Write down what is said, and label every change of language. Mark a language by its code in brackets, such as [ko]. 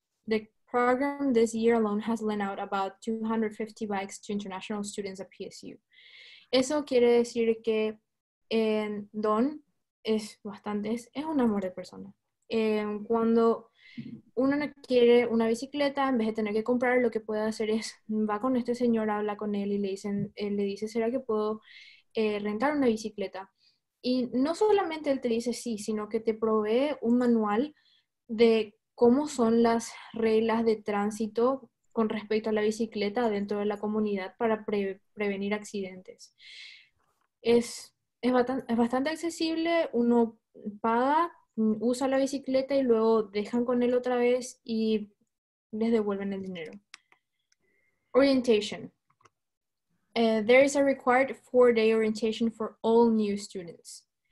[en] The program this year alone has lent out about 250 bikes to international students at PSU. [es] Eso quiere decir que Don es bastante, es un amor de persona. Cuando uno no quiere una bicicleta, en vez de tener que comprar, lo que puede hacer es, va con este señor, habla con él y le dice, ¿será que puedo rentar una bicicleta? Y no solamente él te dice sí, sino que te provee un manual de cómo son las reglas de tránsito con respecto a la bicicleta dentro de la comunidad para prevenir accidentes. Es bastante accesible, uno paga, usa la bicicleta y luego dejan con él otra vez y les devuelven el dinero. [en] Orientation. There is a required 4-day orientation for all new students.